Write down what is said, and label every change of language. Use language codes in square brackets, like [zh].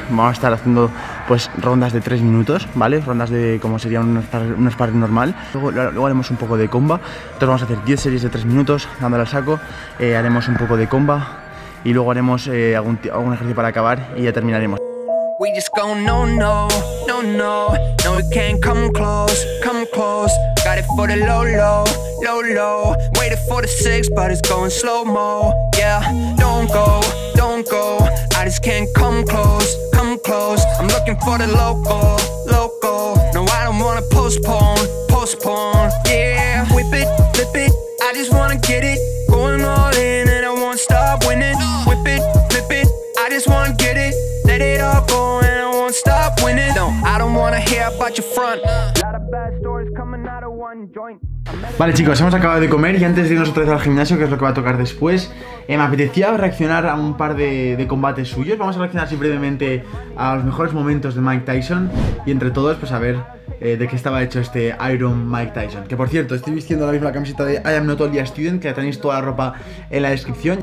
[es] Vamos a estar haciendo pues rondas de 3 minutos, ¿vale? Rondas de como sería un sparring normal. Luego haremos un poco de comba. Entonces vamos a hacer 10 series de 3 minutos, dándole al saco. Haremos un poco de comba y luego haremos algún ejercicio para acabar y ya terminaremos. [en] We just go no, no, no, no. No, we can't come close, come close. Got it for the low, low, low, low. Waited for the 6, but it's going slow mo. Yeah, don't go, don't go. I just can't come close, come close. I'm looking for the local, local. No, I don't wanna postpone, postpone. Yeah, whip it, flip it. I just wanna get it. Going all in and I won't stop winning. Whip it, flip it. I just wanna get it. Let it all go and I won't stop winning. No, I don't wanna hear about your front. Lot of bad stories coming out of one joint. [es] Vale, chicos, hemos acabado de comer y antes de irnos otra vez al gimnasio, que es lo que va a tocar después, me apetecía reaccionar a un par de combates suyos. Vamos a reaccionar así brevemente a los mejores momentos de Mike Tyson y entre todos, pues a ver de qué estaba hecho este Iron Mike Tyson. Que por cierto, estoy vistiendo ahora mismo la camiseta de I am not only a student, que ya tenéis toda la ropa en la descripción.